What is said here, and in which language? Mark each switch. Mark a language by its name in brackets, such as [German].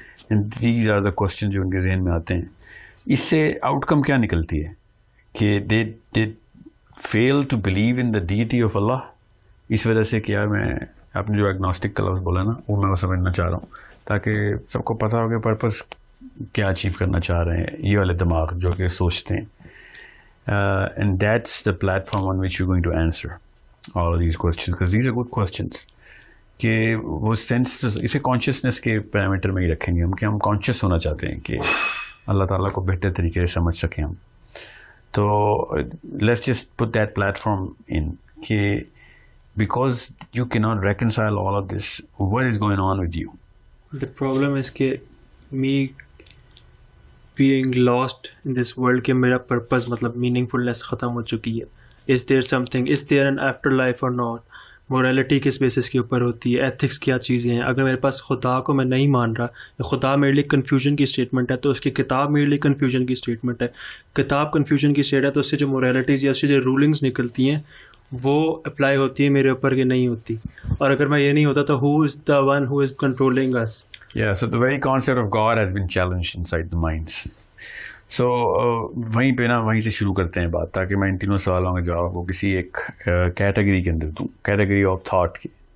[English] these are the question [Urdu] جو ان کے ذہن میں آتے ہیں. [English] اس سے outcome [Urdu] کیا نکلتی ہے کہ [English] They did fail to believe in the deity of Allah. [Urdu] اس وجہ سے کیا میں آپ نے جو ایگنوسٹک کا لفظ بولا نا وہ میں وہ سمجھنا چاہ رہا ہوں تاکہ سب کو پتہ ہو کہ پرپز کیا اچیو کرنا چاہ رہے ہیں یہ والے دماغ جو کہ سوچتے ہیں. [English] And that's the platform on which you going to answer all these questions because these are good questions. [Urdu] کہ وہ سینس اسے کانشیسنیس کے پیرامیٹر میں ہی رکھیں گے ہم کہ ہم کانشیس ہونا چاہتے ہیں کہ اللہ تعالیٰ کو بہتر طریقے سے سمجھ سکیں ہم. [English] تو let's just put that platform in کہ because you can not reconcile all of this what is going on with you. The problem is کہ me being lost in this world [Urdu] کے میرا پرپز مطلب میننگ فل لیس ختم ہو چکی ہے. [English] Is there something is there an after life اور not. [Urdu] Morality کس basis کے اوپر ہوتی ہے, ایتھکس کیا چیزیں ہیں. اگر میرے پاس خدا کو میں نہیں مان رہا, خدا میرے لیے کنفیوژن کی اسٹیٹمنٹ ہے تو اس کی کتاب میرے لیے کنفیوژن کی اسٹیٹمنٹ ہے. کتاب کنفیوژن کی اسٹیٹ ہے تو اس سے جو موریلٹیز یا اس سے جو رولنگس نکلتی ہیں وہ اپلائی ہوتی ہیں میرے اوپر کہ نہیں ہوتی. اور اگر میں یہ نہیں ہوتا تو [English] who is the one who is controlling [Urdu] اس. [English] Yeah, so the very concept of God has been challenged inside the minds. [Urdu] So, وہیں پہ نا وہیں سے شروع کرتے ہیں بات تاکہ میں ان تینوں سوالوں کا جواب کو کسی ایک کیٹیگری کے اندر دوں, کیٹیگری آف تھاٹ کی.